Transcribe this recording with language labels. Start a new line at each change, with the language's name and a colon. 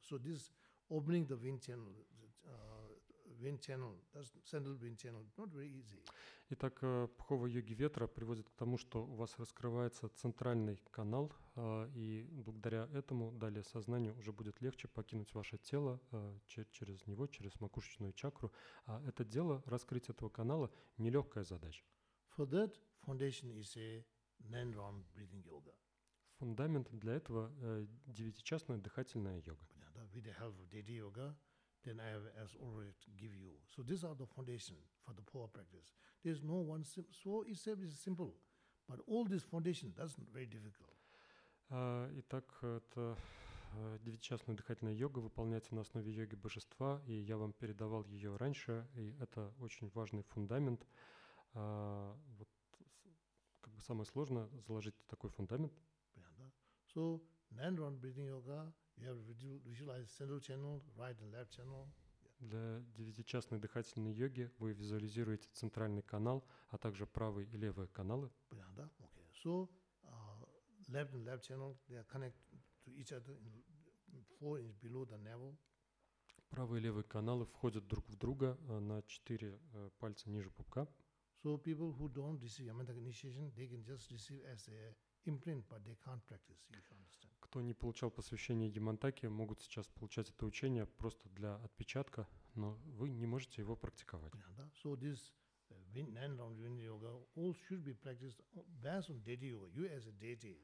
English: So this opening the wind channel, that's central wind channel, not very easy.
Russian: Итак, пхова йоги ветра приводит к тому, что у вас раскрывается центральный канал, и благодаря этому далее сознанию уже будет легче покинуть ваше тело через него, через макушечную чакру. А это дело, раскрыть этого канала, нелегкая задача.
English: For that, foundation is a nine-round breathing yoga.
Russian: Фундамент для этого девятичастная дыхательная йога.
English: With the help of deity yoga, then I have as already give you. So these are the foundation for the power practice. There's no one so itself is simple, but all these foundation that's very difficult.
Russian: Итак, это девятичастная дыхательная йога выполняется на основе йоги Божества, и я вам передавал ее раньше, и это очень важный фундамент. Вот как бы самое сложное заложить такой фундамент.
English: So nine round breathing yoga. You have visualize central channel, right and left channel.
Russian: Для девятичастной дыхательной йоги вы визуализируете центральный канал, а также правый и левый каналы. Понятно?
English: Okay. So left and left channel, they are connected to each other in 4 inches below the navel.
Russian: Правый и левый каналы входят друг в друга на 4 пальца ниже пупка.
English: So people who don't receive yamantaka initiation, they can just receive as a imprint, but they can't practice, you understand.
Russian: Кто не получал посвящение Ямантаке, могут сейчас получать это учение просто для отпечатка, но вы не можете его практиковать.
English: Yeah, so this nine round wind yoga all should be practiced based on deity yoga, you as a deity.